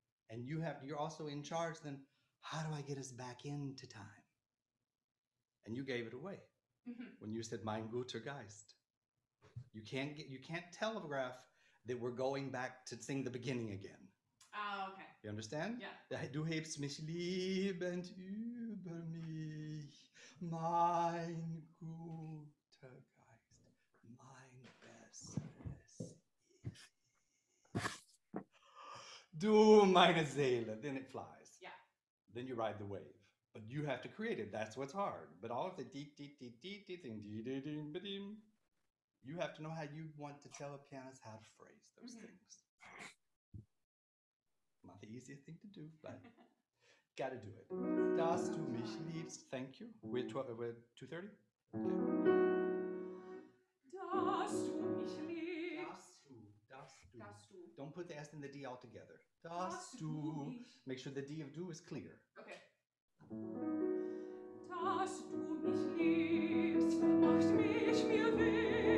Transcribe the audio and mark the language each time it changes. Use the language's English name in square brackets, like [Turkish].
[English] And you have, you're also in charge then, how do I get us back into time? And you gave it away when you said, [German] mein guter Geist. [English] You can't get, you can't telegraph that we're going back to sing the beginning again. Oh, okay. You understand? Yeah. [German] Du hebst mich liebend über mich, mein guter Geist, mein bestes Ich. Du meine Seele. [English] Then it flies. Yeah. Then you ride the wave. But you have to create it. That's what's hard. But all of the dee dee dee dee dee thing, dee dee dee dee dee. You have to know how you want to tell a pianist how to phrase those things. Not the easiest thing to do, but gotta do it. [German] Das du mich liebst, [English] thank you. We're 2:30? Okay. [German] Das du mich liebst. Das du. Das du. [English] Don't put the S and the D all together. [German] Das du. [English] Make sure the D of du is clear. Okay. [German] Das du mich liebst, macht mich mir weh.